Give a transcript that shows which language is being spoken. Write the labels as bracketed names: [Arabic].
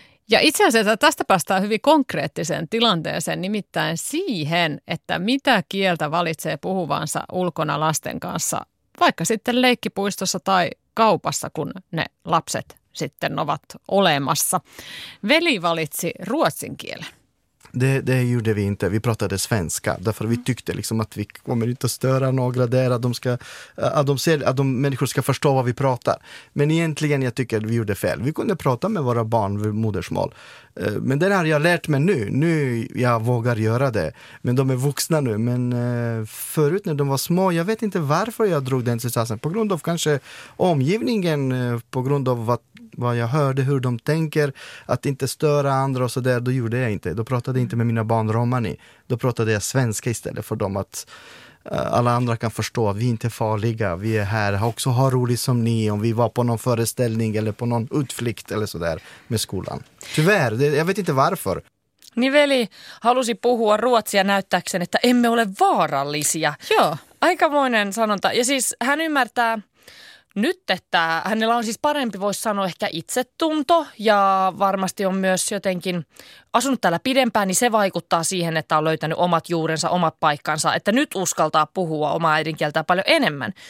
[Finnish] Ja itse asiassa tästä päästään hyvin konkreettiseen tilanteeseen, nimittäin siihen, että mitä kieltä valitsee puhuvansa ulkona lasten kanssa, vaikka sitten leikkipuistossa tai kaupassa, kun ne lapset sitten ovat olemassa. Veli valitsi ruotsin kielen. [Swedish] Det gjorde vi inte. Vi pratade svenska. Därför vi tyckte liksom att vi kommer inte att störa några där. Att de människor ska förstå vad vi pratar. Men egentligen jag tycker vi gjorde fel. Vi kunde prata med våra barn vid modersmål. Men det här jag lärt mig nu. Nu jag vågar göra det. Men de är vuxna nu. Men förut när de var små, jag vet inte varför jag drog den situationen. På grund av kanske omgivningen, på grund av vad jag hörde, hur de tänker, att inte störa andra och så där, då gjorde jag inte. Då pratade jag inte med mina barn romani. Då pratade jag svenska istället för dem, att alla andra kan förstå att vi inte är farliga. Vi är här också, har roligt som ni, om vi var på någon föreställning eller på någon utflykt eller så där med skolan. Tyvärr, jag vet inte varför. [Finnish] Ni veli halusi puhua ruotsia näyttääkseni, että emme ole vaarallisia. Joo, aikamoinen sanonta. Ja siis hän ymmärtää nyt, että hänellä on siis parempi, voisi sanoa, ehkä itsetunto ja varmasti on myös jotenkin asunut täällä pidempään, niin se vaikuttaa siihen, että on löytänyt omat juurensa, omat paikkansa, että nyt uskaltaa puhua omaa äidinkieltään paljon enemmän.